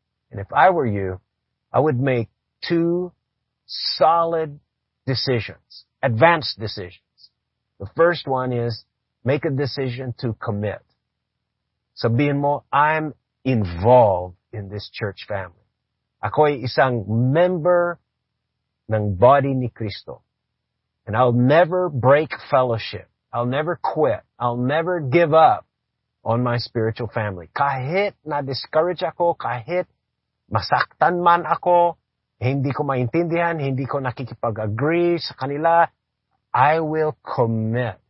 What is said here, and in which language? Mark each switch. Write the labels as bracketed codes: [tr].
[en] And if I were you, I would make two solid decisions, advanced decisions. The first one is make a decision to commit. [tl] Sabihin mo, [en] I'm involved in this church family. [tl] Ako'y isang member ng body ni Cristo. [en] And I'll never break fellowship. I'll never quit. I'll never give up on my spiritual family. [tl] Kahit na-discourage ako, kahit masaktan man ako, hindi ko maintindihan, hindi ko nakikipag-agree sa kanila, [en] I will commit.